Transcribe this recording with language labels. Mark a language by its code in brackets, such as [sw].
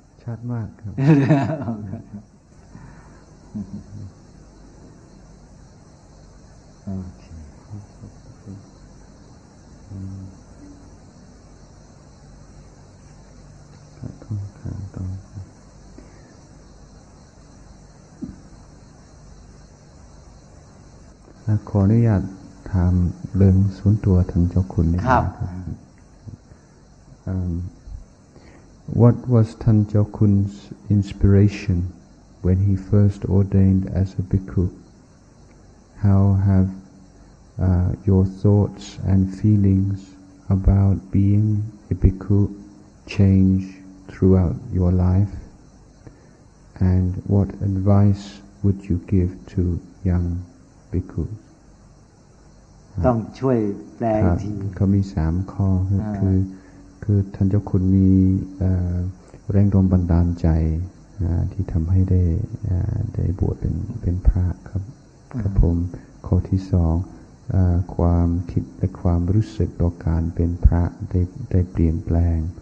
[th] ชัดมากครับขออนุญาตถามเรื่องศูนย์ตัวท่านเจ้าคุณนะ ครับ [en] What was Thun Jokhun's inspiration when he first ordained as a bhikkhu? How have your thoughts and feelings about being a bhikkhu changed throughout your life? And what advice would you give to young bhikkhus? [th] ต้องช่วยแปลที เขามีสามข้อคือท่านเจ้าคุณมีแรงดลบันดาลใจที่ทำให้ได้บวชเป็นพระครับครับผมข้อที่สองความคิดและความรู้สึกต่อการเป็นพระได้เปลี่ยนแปลง